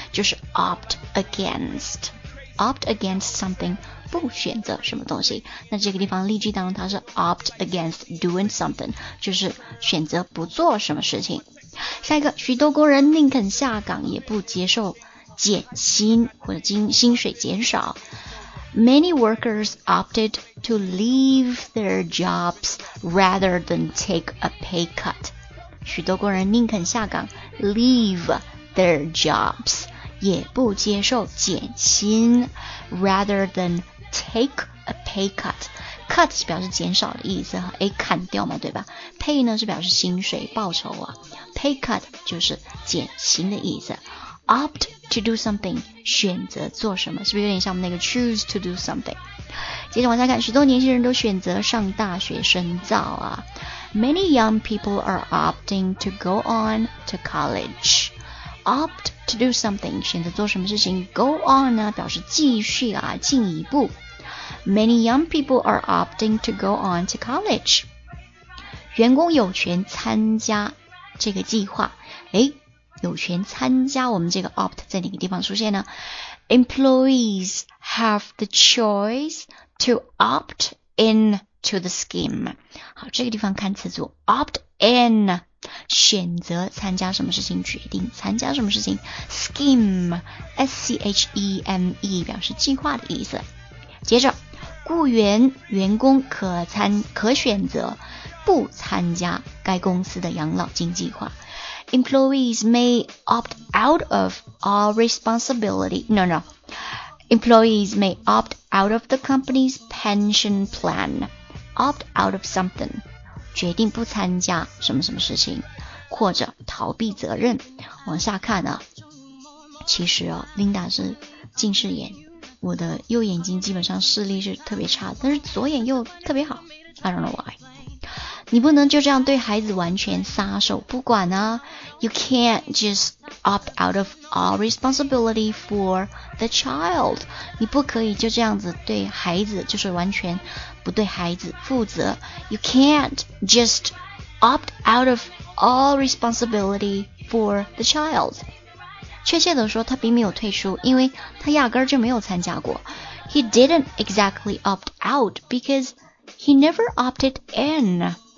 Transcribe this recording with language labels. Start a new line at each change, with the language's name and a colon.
Chinese: 就是 opt against。
English: Opt against something，
Chinese: 不选择什么东西。那这个地方例句当中它是
English: opt against doing something，
Chinese: 就是选择不做什么事情。下一个，许多工人宁肯下岗也不接受减薪或者薪水减少。
English: Many workers opted to leave their jobs rather than take a pay cut。
Chinese: 许多工人宁肯下岗
English: leave their jobs
Chinese: 也不接受减薪
English: rather than take a pay cut。
Chinese: cut 是表示减少的意思，诶，砍掉嘛，对吧？ pay 呢是表示薪水报酬啊， pay cut 就是减薪的意思。
English: opt to do something
Chinese: 选择做什么，是不是有点像我们那个
English: choose to do something。
Chinese: 接着往下看，许多年轻人都选择上大学深造啊。
English: many young people are opting to go on to college。 optTo do something，
Chinese: 选择做什么事情。
English: Go on
Chinese: 呢，表示继续啊，进一步。
English: Many young people are opting to go on to college。
Chinese: 员工有权参加这个计划。诶，有权参加，我们这个 opt 在哪个地方出现呢？
English: Employees have the choice to opt in to the scheme。
Chinese: 好，这个地方看词组 opt in。选择参加什么事情，决定参加什么事情。 Scheme，S-C-H-E-M-E， 表示计划的意思。接着，雇员、员工可选择不参加该公司的养老金计划。
English: Employees may opt out of all responsibility. No. Employees may opt out of the company's pension plan. Opt out of something.
Chinese: 决定不参加什么什么事情，或者逃避责任。往下看啊，其实啊 ，Linda 是近视眼，我的右眼睛基本上视力是特别差，但是左眼又特别好。
English: I don't know why。
Chinese: 你不能就这样对孩子完全撒手不管啊。
English: You can't just opt out of all responsibility for the child。
Chinese: 你不可以就这样子对孩子就是完全。不对孩子负责。
English: You can't just opt out of all responsibility for the child.
Chinese: 确切地说，他并没有退出，因为他压根儿就没有参加过。
English: He didn't exactly opt out because he never opted in.